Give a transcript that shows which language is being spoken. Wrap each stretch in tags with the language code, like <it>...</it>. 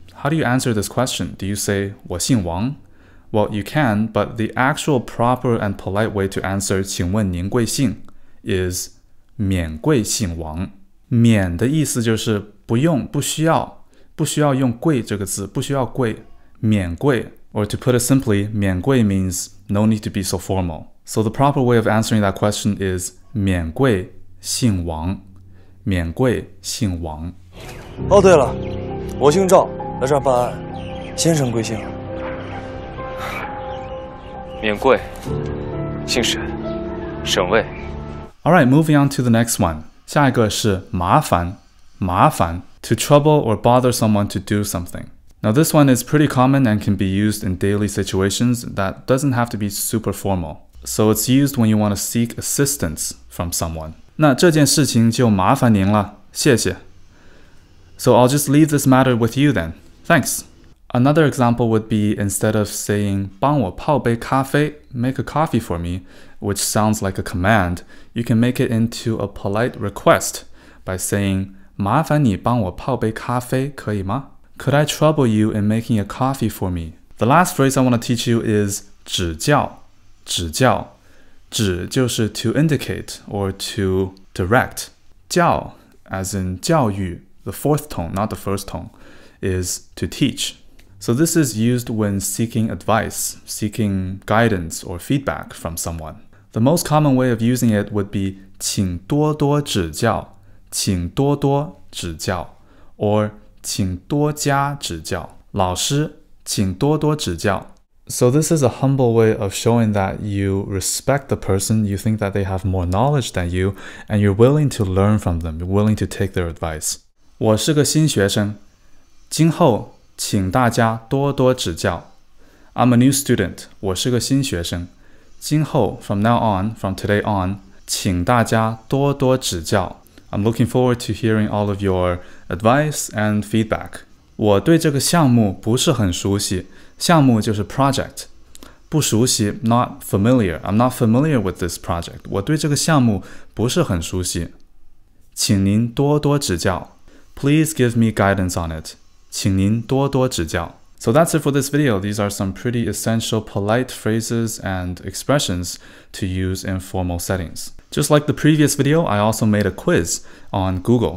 <en>How do you answer this question? Do you say,</en> <zh>我姓王</zh> <en>Well, you can, but the actual proper and polite way to answer</en> <zh>请问您贵姓</zh> <en>is</en> <zh>免贵姓王免的意思就是不用不需要不需要用贵这个字不需要贵免贵</zh> <en>Or to put it simply,</en> <zh>免贵</zh> <en>means no need to be so formal. So the proper way of answering that question is</en> <zh>免贵姓王免贵姓王哦对了我姓赵来这儿办案先生贵姓免贵姓沈沈卫</zh> <en>Alright, moving on to the next one.</en> <zh>下一个是麻烦麻烦</zh> <en>To trouble or bother someone to do something. Now this one is pretty common and can be used in daily situations that doesn't have to be super formal. So it's used when you want to seek assistance from someone.</en> <zh>那这件事情就麻烦您了，谢谢。</zh> <en>So I'll just leave this matter with you then. Thanks. Another example would be instead of saying</en> <zh>帮我泡杯咖啡</zh> <en>make a coffee for me, which sounds like a command, you can make it into a polite request by saying</en> <zh>麻烦你帮我泡杯咖啡可以吗</zh> <en>Could I trouble you in making a coffee for me? The last phrase I want to teach you is</en> <zh>指教指教指就是</zh> <en>to indicate or to direct.</en> <zh>教</zh> <en>as in</en> <zh>教育</zh> <en>the fourth tone, not the first tone, is to teach. So this is used when seeking advice, seeking guidance or feedback from someone. The most common way of using it would be</en> <zh>请多多指教请多多指教</zh> <en>or...</en> <zh>请多加指教老师请多多指教</zh> <en>So this is a humble way of showing that you respect the person, you think that they have more knowledge than you, and you're willing to learn from them, you're willing to take their advice.</en> <zh>我是个新学生今后请大家多多指教</zh> <en>I'm a new student.</en> <zh>我是个新学生。今后</zh> <en>from now on, from today on,</en> <zh>请大家多多指教。</zh> <en>I'm looking forward to hearing all of your advice and feedback.</en> <zh>我对这个项目不是很熟悉。项目就是 project。不熟悉</zh> <en>not familiar. I'm not familiar with this project.</en> <zh>我对这个项目不是很熟悉。请您多多指教。</zh> <en>Please give me guidance on it.</en> <zh>请您多多指教。</zh> <en>So that's it for this video. These are some pretty essential polite phrases and expressions to use in formal settings. Just like the previous video, I also made a quiz on Google.</en>